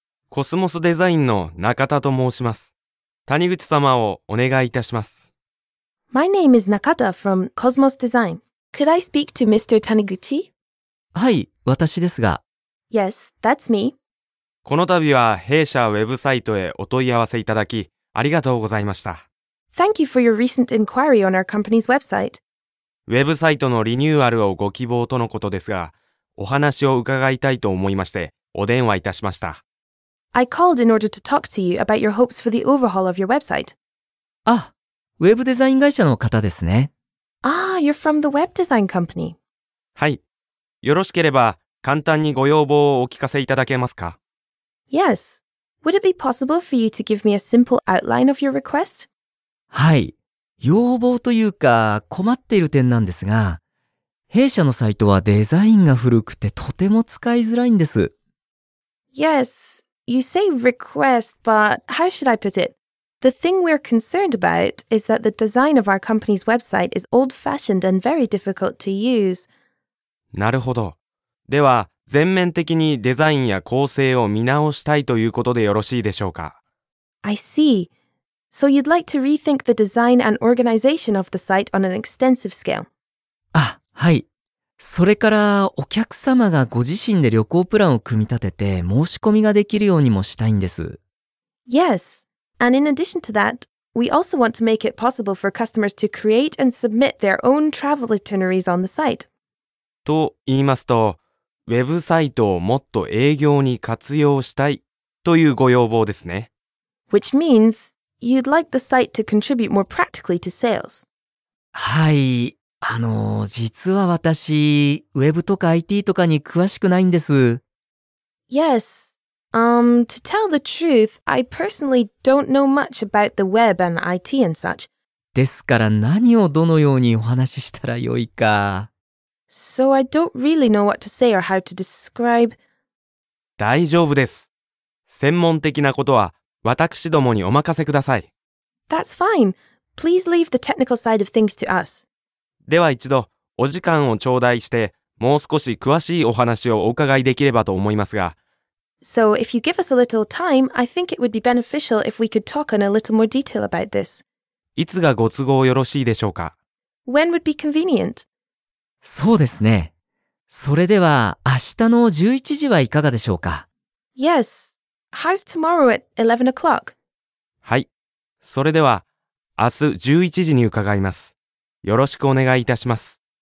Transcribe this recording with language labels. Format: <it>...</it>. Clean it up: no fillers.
<ja>コスモスデザインの中田と申します。谷口様をお願いいたします。</ja> <en>My name is Nakata from Cosmos Design. Could I speak to Mr. Taniguchi?</en> <ja>はい。私ですが。</ja> <en>Yes, that's me.</en> <ja>この度は弊社ウェブサイトへお問い合わせいただき、ありがとうございました。</ja> <en>Thank you for your recent inquiry on our company's website.</en> <ja>ウェブサイトのリニューアルをご希望とのことですが、お話を伺いたいと思いまして、お電話いたしました。</ja> <en>I called in order to talk to you about your hopes for the overhaul of your website.</en> <ja>あ、ウェブデザイン会社の方ですね。</ja> <en>Ah, you're from the web design company.</en> <ja>はい。よろしければ、簡単にご要望をお聞かせいただけますか?</ja> <en>Yes. Would it be possible for you to give me a simple outline of your request?</en> <ja>はい。要望というか、困っている点なんですが、弊社のサイトはデザインが古くてとても使いづらいんです。</ja> <en>Yes, you say request, but how should I put it? The thing we're concerned about is that the design of our company's website is old-fashioned and very difficult to use.</en> <ja>なるほど。では、全面的にデザインや構成を見直したいということでよろしいでしょうか?</ja> <en>I see. So you'd like to rethink the design and organization of the site on an extensive scale.</en> <ja>あ、はい。それから、お客様がご自身で旅行プランを組み立てて申し込みができるようにもしたいんです。</ja> <en>Yes. And in addition to that, we also want to make it possible for customers to create and submit their own travel itineraries on the site.</en> <ja>と言いますと、ウェブサイトをもっと営業に活用したいというご要望ですね。</ja> <en>Which means you'd like the site to contribute more practically to sales.</en> <ja>はい、実は私、ウェブとか IT とかに詳しくないんです。</ja> <en>Yes, to tell the truth, I personally don't know much about the web and IT and such.</en> <ja>ですから何をどのようにお話ししたらよいか。</ja> <en>So I don't really know what to say or how to describe.</en> <ja>大丈夫です。専門的なことは私どもにお任せください。</ja> <en>That's fine. Please leave the technical side of things to us.</en> <ja>では一度お時間を頂戴してもう少し詳しいお話をお伺いできればと思いますが。</ja> <en>So if you give us a little time, I think it would be beneficial if we could talk in a little more detail about this.</en> <ja>いつがご都合よろしいでしょうか?</ja> <en>When would be convenient?</en> <ja>そうですね。それでは明日の11時はいかがでしょうか?</ja> <en>Yes. How's tomorrow at 11 o'clock?</en> <ja>はい。それでは明日11時に伺います。よろしくお願いいたします。</ja>